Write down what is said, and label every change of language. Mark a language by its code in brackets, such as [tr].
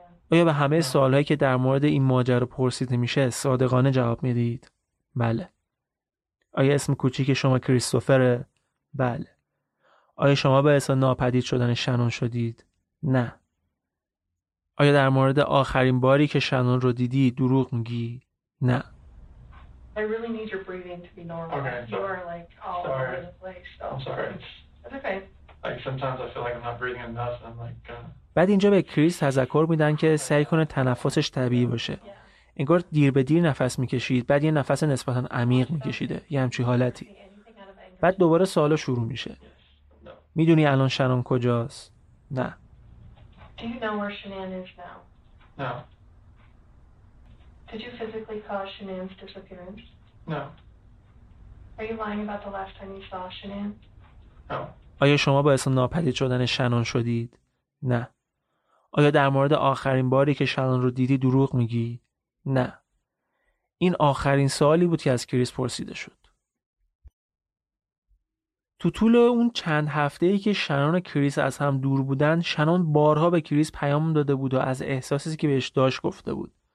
[fa] آیا به همه سوالهایی که در مورد این ماجرا پرسیده میشه صادقانه جواب میدید؟ بله. آیا اسم کوچیک شما کریستوفره؟ بله. آیا شما به اسم ناپدید شدن شنون شدید؟ نه. آیا در مورد آخرین باری که شنون رو دیدی دروغ میگی؟ نه. [en] I really need your breathing to be normal. Okay, you are like all over the place. So. I'm sorry. It's okay. Like sometimes I feel like I'm not breathing enough. I'm like. [fa] بعد اینجا به کریس تذکر میدن که سعی کنه تنفسش طبیعی باشه. انگار دیر به دیر نفس میکشید، بعد یه نفس نسبتا عمیق میکشیده. یه همچی حالتی. بعد دوباره سوالا شروع میشه. میدونی الان شنون کجاست؟ نه. [en] Do you know where Shanann is now? No. Did you physically cause Shanann's disappearance? No. Are you lying about the last time you saw Shanann? No. [fa] آیا شما باعث ناپدید شدن شنون شدید؟ نه. آیا در مورد آخرین باری که شنون رو دیدی دروغ میگی؟ نه. این آخرین سوالی بود که از کریس پرسیده شد. تو طول اون چند هفته‌ای که شنون و کریس از هم دور بودن، شنون بارها به کریس پیام داده بود و از احساسی که بهش داشت گفته بود.